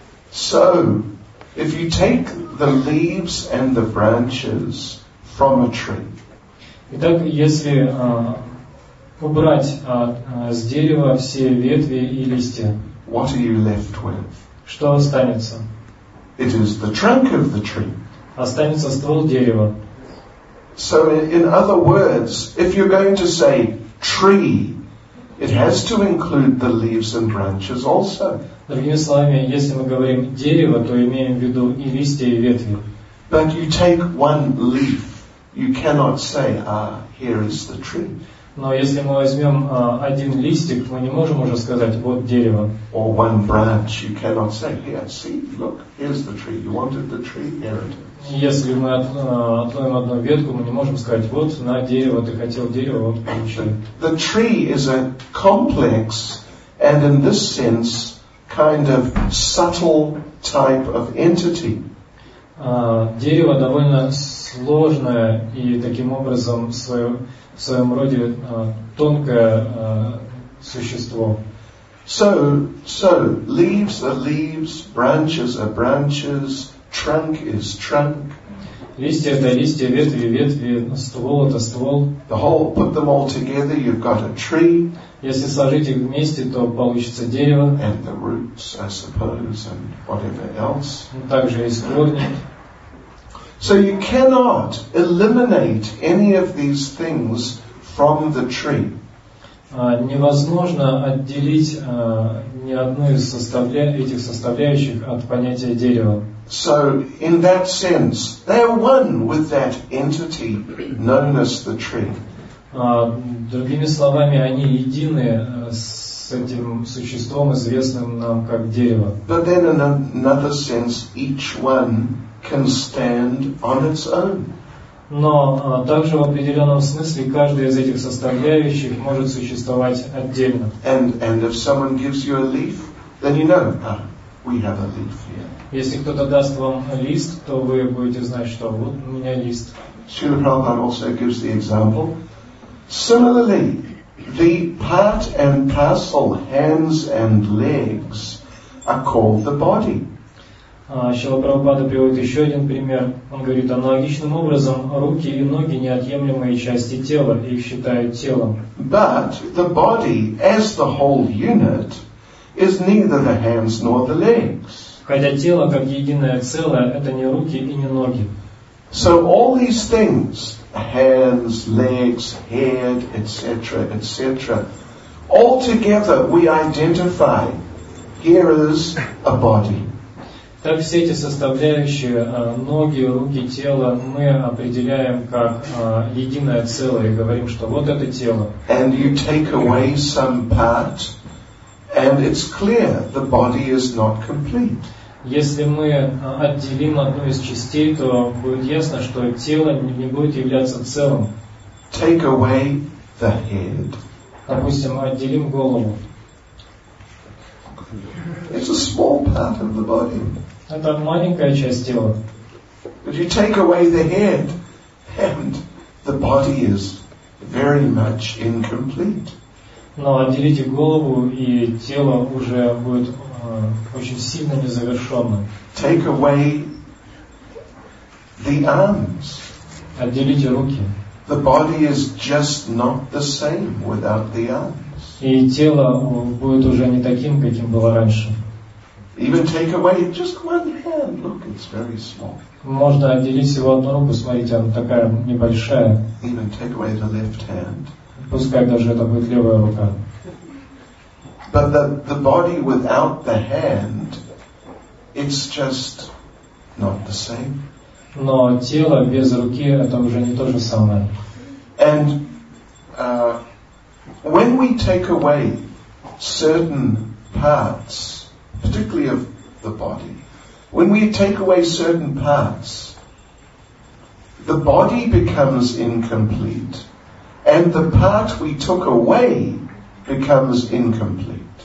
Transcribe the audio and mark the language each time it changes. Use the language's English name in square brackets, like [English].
[English] So, if you take the leaves and the branches from a tree. [Russian] Итак, если убрать с дерева все ветви и листья, [English] what are you left with? [Russian] Что останется? [English] It is the trunk of the tree. [Russian] Останется ствол дерева. [English] So, in other words, if you're going to say tree, it has to include the leaves and branches also. [Russian] Другими словами, если мы говорим дерево, то имеем в виду и листья, и ветви. [English] But you take one leaf, you cannot say, ah, here is the tree. [Russian] Но если мы возьмем один листик, мы не можем уже сказать, вот дерево. [English] Or one branch, you cannot say, here, see, look, here's the tree, you wanted the tree, here it is. [Russian] Если мы отломим одну ветку, мы не можем сказать, вот, на дерево, ты хотел дерево, вот, получил. [English] The tree is a complex, and in this sense, kind of subtle type of entity. [Russian] Дерево довольно сложное и таким образом в своем роде тонкое существо. [English] So leaves are leaves, branches are branches, trunk is trunk. [Russian] Листья это листья, ветви ветви, ствол это ствол. [English] The whole, put them all together, you've got a tree. [Russian] Если сложить их вместе, то получится дерево. [English] And the roots, I suppose, and whatever else. [Russian] Также есть корни. [English] So you cannot eliminate any of these things from the tree. [Russian] Невозможно отделить ни одну из этих составляющих от понятия дерева. [English] So in that sense, they are one with that entity known as the tree. [Russian] Другими словами, они едины с этим существом, известным нам как дерево. [English] But then in another sense, each one can stand on its own. [Russian] Но также в определенном смысле каждая из этих составляющих может существовать отдельно. [English] And if someone gives you a leaf, then you know, we have a leaf here. [Russian] Если кто-то даст вам лист, то вы будете знать, что вот у меня лист. [English] Srila Prabhupada also gives the example. Similarly, the part and parcel, hands and legs, are called the body. [Russian] Шрила Прабхупада приводит еще один пример. Он говорит, аналогичным образом руки и ноги неотъемлемые части тела, их считают телом. [English] But the body, as the whole unit, is neither the hands nor the legs. [Russian] Хотя тело как единое целое, это не руки и не ноги. [English] So all these things, hands, legs, head, etc., etc., all together we identify, here is a body. [Russian] Так все эти составляющие, ноги, руки, тело, мы определяем как единое целое и говорим, что вот это тело. [English] And you take away some part And it's clear the body is not complete. [Russian] Если мы отделим одну из частей, то будет ясно, что тело не будет являться целым. [English] Take away the head. [Russian] Допустим, мы отделим голову. [English] It's a small part of the body. [Russian] Это маленькая часть тела. [English] But you take away the head, and the body is very much incomplete. [Russian] Но отделите голову, и тело уже будет очень сильно незавершенным. [English] Take away the arms. [Russian] Отделите руки. [English] The body is just not the same without the arms. [Russian] И тело будет уже не таким, каким было раньше. [English] Even take away just one hand. Look, it's very small. [Russian] Можно отделить всего одну руку, смотрите, она такая небольшая. [English] Even take away the left hand. [Russian] Пускай даже это будет левая рука. [English] But the body without the hand, it's just not the same. [Russian] Но тело без руки — это уже не то же самое. [English] And when we take away certain parts, particularly of the body, when we take away certain parts, the body becomes incomplete, and the part we took away becomes incomplete.